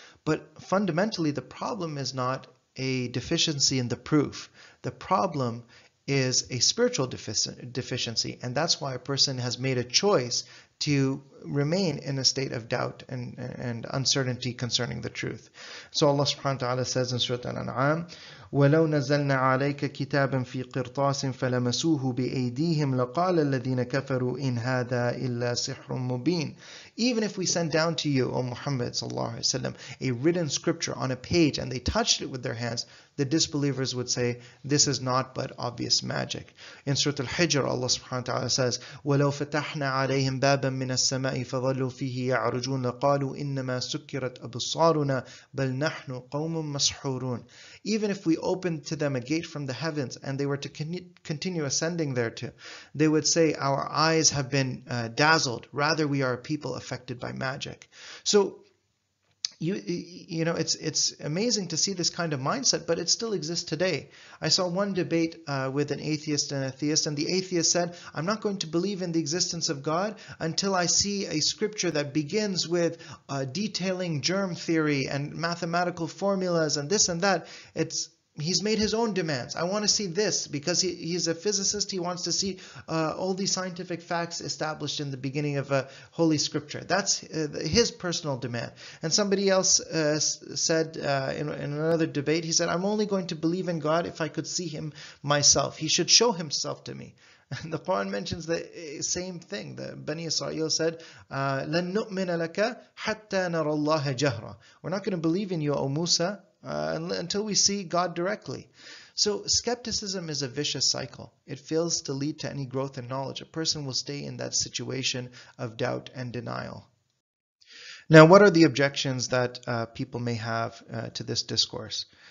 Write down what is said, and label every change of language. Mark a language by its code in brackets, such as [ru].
[en] But fundamentally, the problem is not a deficiency in the proof. The problem is a spiritual deficiency, and that's why a person has made a choice to remain in a state of doubt and uncertainty concerning the truth. So Allah subhanahu wa ta'ala says in Surah Al-An'am, [ar] وَلَوْ نَزَلْنَا عَلَيْكَ كِتَابًا فِي قِرْطَاسٍ فَلَمَسُوهُ بِأَيْدِيهِمْ لَقَالَ الَّذِينَ كَفَرُوا إِنْ هَذَا إِلَّا سِحْرٌ مُبِينٌ. [en] Even if we send down to you, O Muhammad sallallahu alayhi wa sallam, a written scripture on a page and they touched it with their hands, the disbelievers would say, this is not but obvious magic. In Surah Al-Hijr, Allah subhanahu wa ta'ala says, [ar] وَلَوْ فَتَحْنَا عَلَيْهِمْ بَابًا مِنَ السَّمَاءِ فَظَلُوا فِيهِ يَعْرُجُونَ لَقَالُوا إِنَّمَا سُكِّرَتْ أَبْصَارُنَا بَلْ نَحْنُ قَوْمٌ مَسْحُورُونَ. [en] Even if we opened to them a gate from the heavens and they were to continue ascending thereto, they would say, our eyes have been dazzled. Rather, we are a people affected by magic. So, you know, it's amazing to see this kind of mindset, but it still exists today. I saw one debate with an atheist and a theist, and the atheist said, I'm not going to believe in the existence of God until I see a scripture that begins with detailing germ theory and mathematical formulas and this and that. He's made his own demands. I want to see this because he's a physicist. He wants to see all these scientific facts established in the beginning of a holy scripture. That's his personal demand. And somebody else said in another debate, he said, I'm only going to believe in God if I could see him myself. He should show himself to me. And the Quran mentions the same thing. The Bani Israel said, [ar] لَن نُؤْمِنَ لَكَ حَتَّى نَرَى اللَّهَ جَهْرًا. [en] We're not going to believe in you, O Musa. Until we see God directly. So skepticism is a vicious cycle. It fails to lead to any growth in knowledge. A person will stay in that situation of doubt and denial. Now, what are the objections that people may have to this discourse?